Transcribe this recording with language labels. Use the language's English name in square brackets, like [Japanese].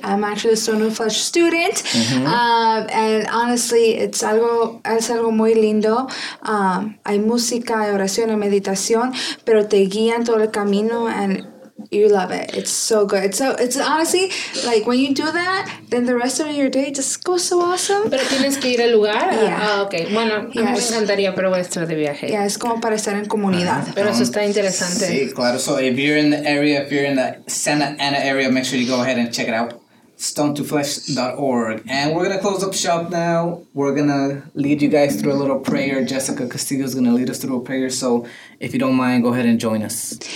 [English] I'm actually a Stone of Flesh student. And honestly, [Spanish] es algo muy lindo. Hay música, hay oración, hay meditación, pero te guían todo el camino [English] and you love it. It's so good. It's honestly, like, when you do that, then the rest of your day just goes so awesome. [Spanish] Pero tienes que ir al lugar? Yeah. Oh, okay. Bueno, yes. A mí me encantaría, pero voy a estar de viaje. Yeah, es como para estar en comunidad. Pero eso está interesante. Sí, claro. [English] So if you're in the area, if you're in the Santa Ana area, make sure you go ahead and check it out. Stone2Flesh.org. And we're going to close up shop now. We're going to lead you guys through a little prayer. Jessica Castillo is going to lead us through a prayer. So if you don't mind, go ahead and join us.